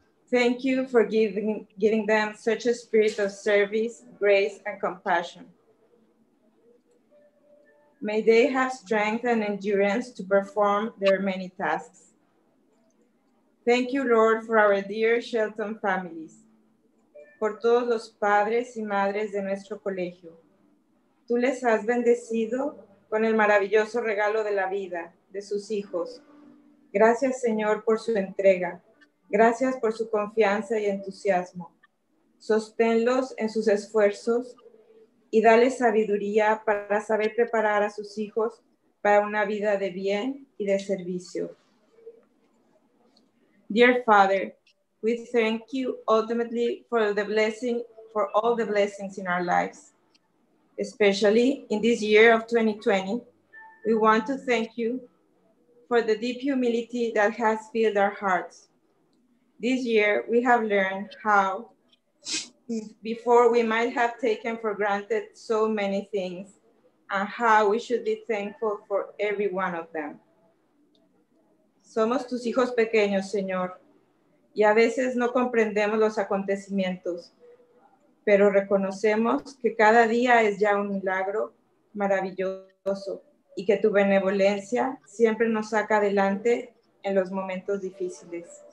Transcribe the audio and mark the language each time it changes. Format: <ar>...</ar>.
<en>Thank you for giving them such a spirit of service, grace, and compassion. May they have strength and endurance to perform their many tasks. Thank you, Lord, for our dear Shelton families.</en> <es>Por todos los padres y madres de nuestro colegio. Tú les has bendecido con el maravilloso regalo de la vida de sus hijos. Gracias, Señor, por su entrega. Gracias por su confianza y entusiasmo. Sosténlos en sus esfuerzos y dale sabiduría para saber preparar a sus hijos para una vida de bien y de servicio.</es> <en>Dear Father, we thank you ultimately for the blessing, for all the blessings in our lives. Especially in this year of 2020, we want to thank you for the deep humility that has filled our hearts. This year, we have learned how before we might have taken for granted so many things and how we should be thankful for every one of them.</en> <es>Somos tus hijos pequeños, Señor. Y a veces no comprendemos los acontecimientos, pero reconocemos que cada día es ya un milagro maravilloso y que tu benevolencia siempre nos saca adelante en los momentos difíciles.</es>